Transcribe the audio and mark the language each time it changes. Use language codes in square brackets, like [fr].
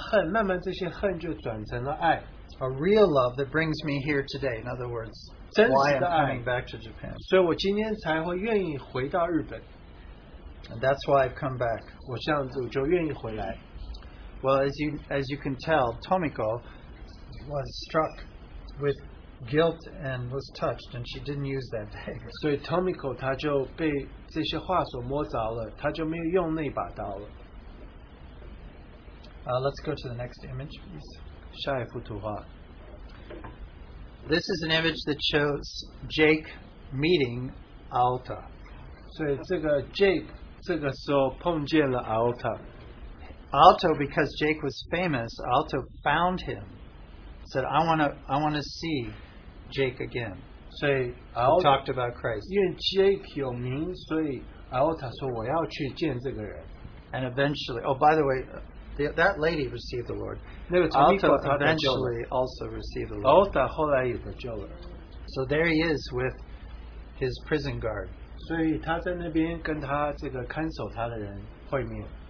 [zh] 所以我就发现这一些虐待我的朋友们，把他们给杀的这些人，我本来是充满了恨，慢慢这些恨就转成了爱。 [en] A real love that brings me here today. In other words, why I'm coming back to Japan. [zh] 所以我今天才会愿意回到日本。 [en] And that's why I've come back. [zh] 我这样子就愿意回来。 [en] Well, as you can tell, Tomiko was struck with guilt and was touched, and she didn't use that dagger. [zh] 所以Tomiko她就被这些话所摸着了，她就没有用那把刀了。 [en] Let's go to the next image, please. [zh] 下一幅图画。 [en] This is an image that shows Jake meeting Aota. [zh] 所以这个Jake这个时候碰见了Aota. [en] Aota, because Jake was famous, Aota found him. Said, I want to see Jake again. [zh] 所以Aota [en] talked about Christ. [zh] 因为Jake有名，所以Aota说我要去见这个人。 [en] And eventually, oh, by the way, that lady received the Lord. Alta eventually also received the Lord. [zh] Alta 后来也得救了。 [en] So there he is with his prison guard. [zh] 所以他在那边跟他这个看守他的人会面。